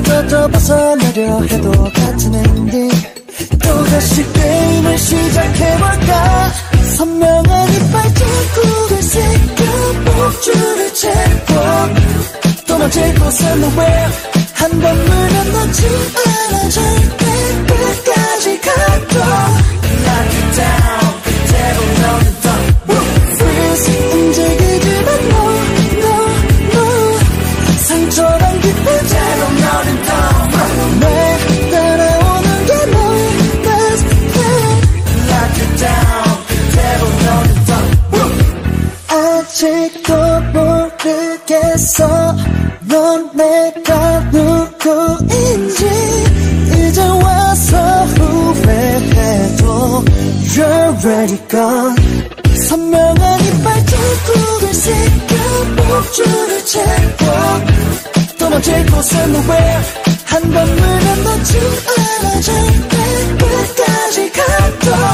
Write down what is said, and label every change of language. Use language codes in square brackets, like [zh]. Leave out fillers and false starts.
[ko] 또 벗어나려 해도 같은 엔딩 또다시 게임을 시작해볼까 선명한 이빨 자국을 새겨 목줄을 채워 떠나질 곳은 nowhere 한 번 물면 넣지 않아 절대 끝까지 가도 [en] Lock it down [ko] 그대로 너는 더 [en] Freeze [ko] 움직이지 마 [en] No no no [ko] 상처란 깊은 대로 너는 더 [en] Follow me [ko] 따라오는 게 너의 [en] best plan Lock it down [ko] 아직도 모르겠어 넌 내가 누구인지 이제 와서 후회해도 [en] You're already gone [ko] 선명한 이빨 자국을 새겨 목줄을 채워 떠나질 곳은 nowhere 한 번 물면 넣지 않아 절대 끝까지 가도